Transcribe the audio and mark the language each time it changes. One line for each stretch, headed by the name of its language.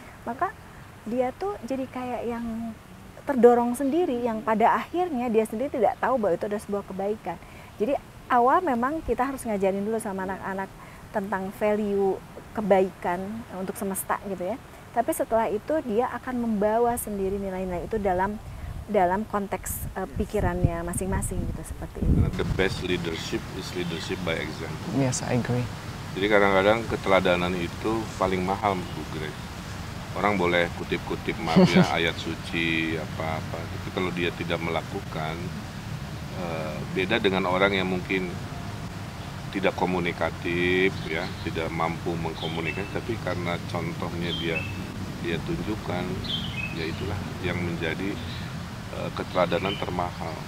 Indonesian: Maka dia tuh jadi kayak yang terdorong sendiri, yang pada akhirnya dia sendiri tidak tahu bahwa itu ada sebuah kebaikan. Jadi awal memang kita harus ngajarin dulu sama anak-anak tentang value kebaikan untuk semesta gitu ya. Tapi setelah itu dia akan membawa sendiri nilai-nilai itu dalam konteks pikirannya masing-masing gitu, seperti itu.
English: The best leadership is leadership by example. Yes, I agree.
Indonesian: Jadi kadang-kadang keteladanan itu paling mahal, Bu Grace. Orang boleh kutip-kutip maaf ya ayat suci apa-apa, tapi kalau dia tidak melakukan, beda dengan orang yang mungkin tidak komunikatif ya, tidak mampu mengkomunikasi, tapi karena contohnya dia tunjukkan, ya itulah yang menjadi keteladanan termahal.